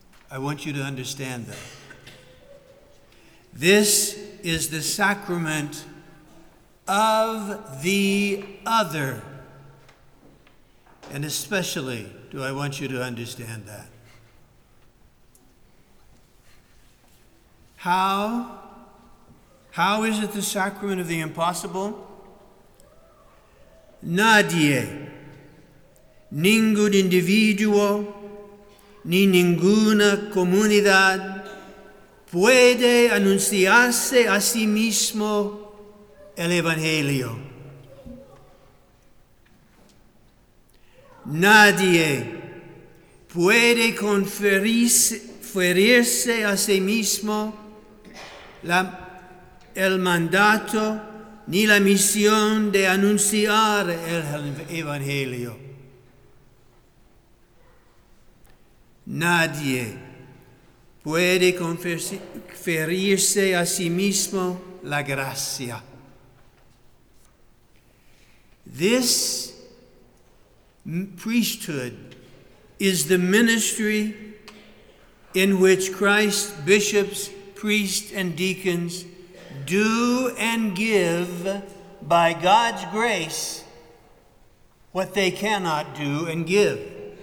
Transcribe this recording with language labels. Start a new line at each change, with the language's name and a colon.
English: I want you to understand that. This is the sacrament of the other. And especially do I want you to understand that. How is it the sacrament of the impossible?
Spanish: Nadie, ningún individuo, ni ninguna comunidad puede anunciarse a sí mismo el Evangelio. Nadie puede conferirse a sí mismo el mandato ni la misión de anunciar el Evangelio. Nadie puede conferirse a sí mismo la gracia.
English: This priesthood is the ministry in which Christ, bishops, priests, and deacons do and give by God's grace what they cannot do and give.